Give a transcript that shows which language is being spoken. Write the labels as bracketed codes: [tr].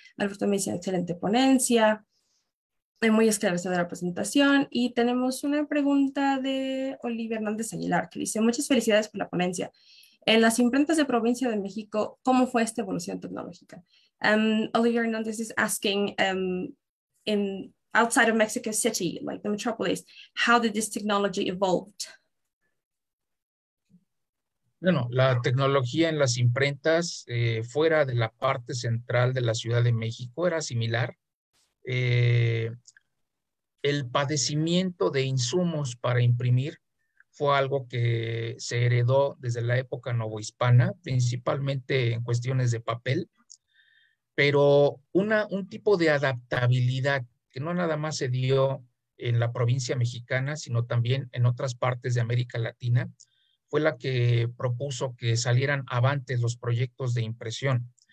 [es] Alberto me dice excelente ponencia, muy esclarecedora presentación. Y tenemos una pregunta de Olivia Hernández Aguilar que dice muchas felicidades por la ponencia. En las imprentas de provincia de México, ¿cómo fue esta evolución tecnológica? Olivia Hernández [en] is asking in outside of Mexico City, like the metropolis, how did this technology evolve? [es] Bueno, la tecnología en las imprentas fuera de la parte central de la Ciudad de México era similar. El padecimiento de insumos para imprimir fue algo que se heredó desde la época novohispana, principalmente en cuestiones de papel, pero un tipo de adaptabilidad que no nada más se dio en la provincia mexicana, sino también en otras partes de América Latina, fue la que propuso que salieran avantes los proyectos de impresión.